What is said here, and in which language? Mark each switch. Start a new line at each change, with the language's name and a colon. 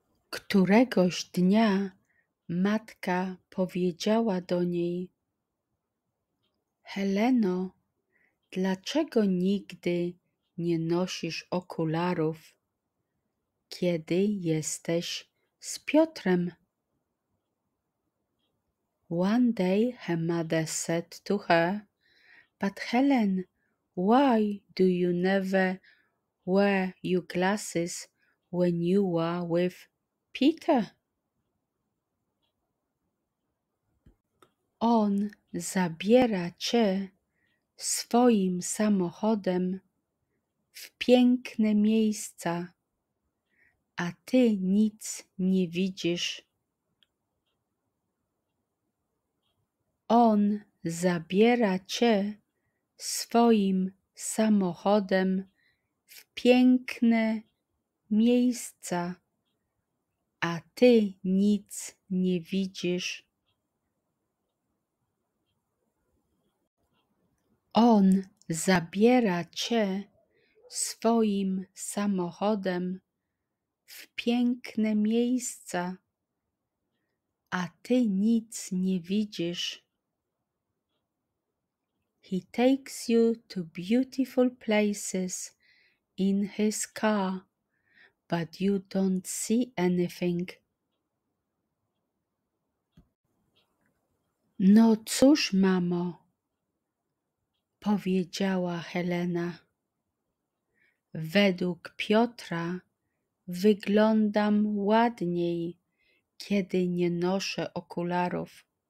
Polish: Któregoś dnia matka powiedziała do niej: Heleno, dlaczego nigdy nie nosisz okularów, kiedy jesteś z Piotrem?
English: One day her mother said to her, But Helen, why do you never wear your glasses when you are with Peter?
Polish: On zabiera cię swoim samochodem w piękne miejsca, a ty nic nie widzisz. On zabiera cię swoim samochodem w piękne miejsca, a ty nic nie widzisz. On zabiera cię swoim samochodem w piękne miejsca, a ty nic nie widzisz.
English: He takes you to beautiful places in his car, but you don't see anything.
Polish: No cóż, mamo, powiedziała Helena. Według Piotra wyglądam ładniej, kiedy nie noszę okularów.